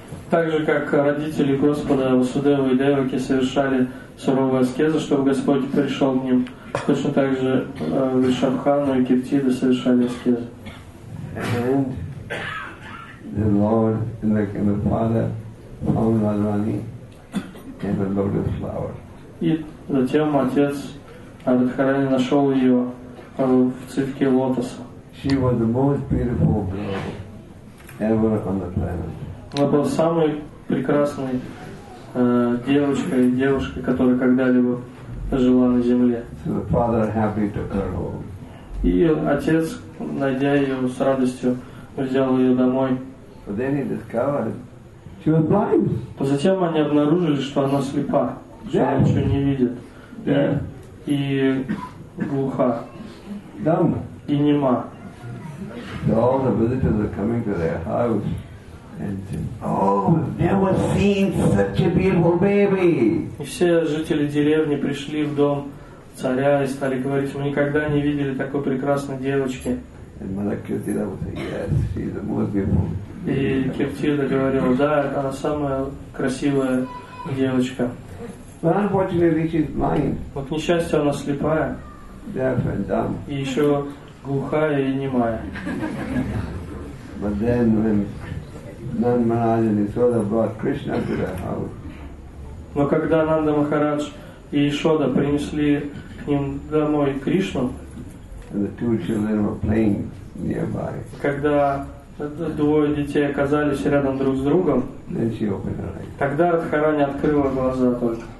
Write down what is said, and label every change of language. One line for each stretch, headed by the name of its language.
Russian: Так же, как родители Господа Васудева и Деваки совершали суровые аскезы, чтобы Господь пришел к ним, точно так же Вишабхану и Киртиду совершали аскезы.
English: The Lord and the Father found Radharani in the lotus flower.
Russian: И затем отец Радхарани нашел ее в цветке лотоса.
English: She was the most beautiful girl ever on the planet.
Russian: Она была самой прекрасной девушкой, которая когда-либо жила на земле.
English: So the Father happy took her home.
Russian: И отец, найдя ее с радостью, взял ее домой.
English: But then he discovered she was blind.
Russian: Но затем они обнаружили, что она слепа, что она ничего не видит, и глуха,
English: dumb,
Russian: и нема.
English: So all the visitors are coming to their house and saying, "Oh, never seen such a beautiful baby."
Russian: И все жители деревни пришли в дом царя и стали говорить: "Мы никогда не видели такой прекрасной девочки."
English: And Mother Kirtida would say, "Yes, she's the most beautiful."
Russian: И Киртида говорила: да, она самая красивая девочка. Но, к несчастью, она слепая.
English: Deaf and dumb.
Russian: И еще глухая и немая.
English: But then when Nand Maharaj and Yashoda brought Krishna to their house.
Russian: Но когда Нанда Махарадж и Ишода принесли к ним домой Кришну,
English: and the two children were playing nearby.
Russian: Когда двое детей оказались рядом друг с другом, тогда Радхарани открыла глаза только.